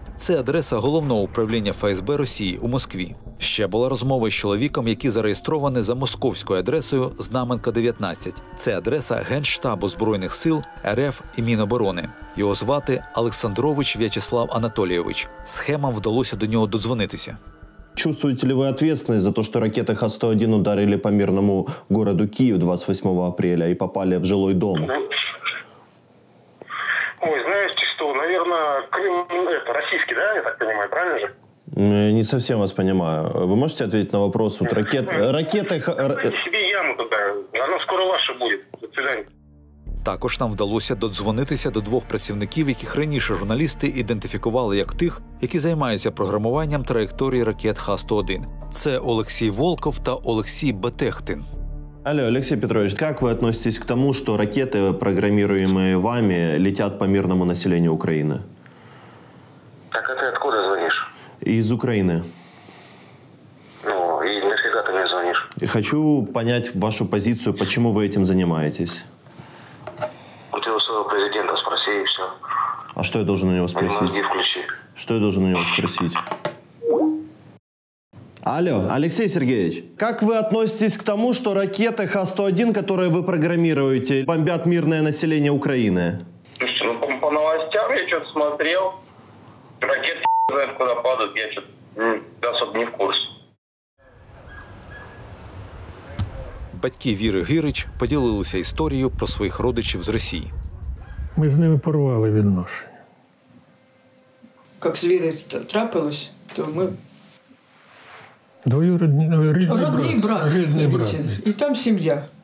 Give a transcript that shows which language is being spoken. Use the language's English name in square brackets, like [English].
[Ukrainian] Це адреса головного управління ФСБ Росії у Москві. Ще була розмова з чоловіком, який зареєстрований за московською адресою Знаменка 19. Це адреса Генштабу Збройних сил РФ і Міноборони. Його звати Олександрович В'ячеслав Анатолійович. Схемам вдалося до нього додзвонитися. [Russian] Чувствуете ли вы ответственность за то, что ракеты Х-101 ударили по мирному городу Киев 28 апреля и попали в жилой дом? Ой, знаете что, наверное, Крым, это российский, да, я так понимаю, правильно же? Не совсем вас понимаю. Вы можете ответить на вопрос? Вот ракеты... Себе яму туда, оно скоро ваше будет, до свидания. [Ukrainian] Також нам вдалося додзвонитися до двох працівників, яких раніше журналісти ідентифікували як тих, які займаються програмуванням траєкторії ракет Х-101. Це Олексій Волков та Олексій Бетехтин. Алло, Олексій Петрович, як ви відноситесь до того, що ракети, програмуємі вами, літять по мирному населенню України? Так, а ти откуда дзвониш? Із України. Ну, і нафіга ти не дзвониш? [Russian] Хочу понять [Ukrainian] вашу позицію, чому ви цим займаєтесь. [Russian] У тебя своего президента спроси и все. А что я должен у него спросить? Мозги включи. Что я должен у него спросить? Алло, Алексей Сергеевич, как вы относитесь к тому, что ракеты Х-101, которые вы программируете, бомбят мирное население Украины? Ну, по новостям я что-то смотрел. Ракеты не знают, куда падают, я что-то особо не в курсе. [Ukrainian] Батьки Віри Гирич поділилися історією про своїх родичів з Росії. Ми з ними порвали відношення. Як з Вірою трапилось, то ми... Двоюродні, рідні брати. І там сім'я.